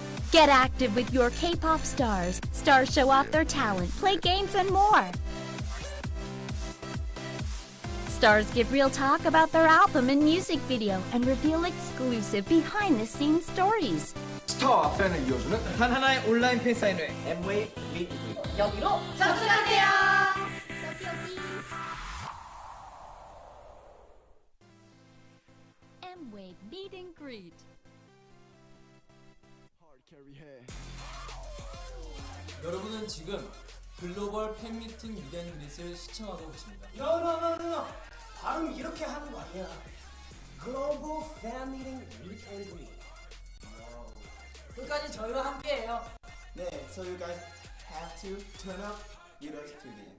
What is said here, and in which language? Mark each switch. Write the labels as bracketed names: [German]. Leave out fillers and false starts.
[English] Get active with your K-pop stars. Stars show off their talent, play games, and more. Stars give real talk about their album and music video and reveal exclusive behind-the-scenes stories. [Korean] Star 팬을 이어주는 단 하나의 온라인 팬 사인회 [English] Mwave Meet&Greet [Korean] 여기로 접속하세요. 여기. Mwave Meet&Greet. [English] Hard carry hair. [Korean] 여러분은 지금 글로벌 팬 미팅 Meet&Greet을 시청하고 계십니다. 여러분은 발음 이렇게 하는 거 아니야. [English] Global Fan Meeting Meet and Greet. [Korean] 끝까지 저희와 함께해요. [English] 네, so you guys have to turn up your TV.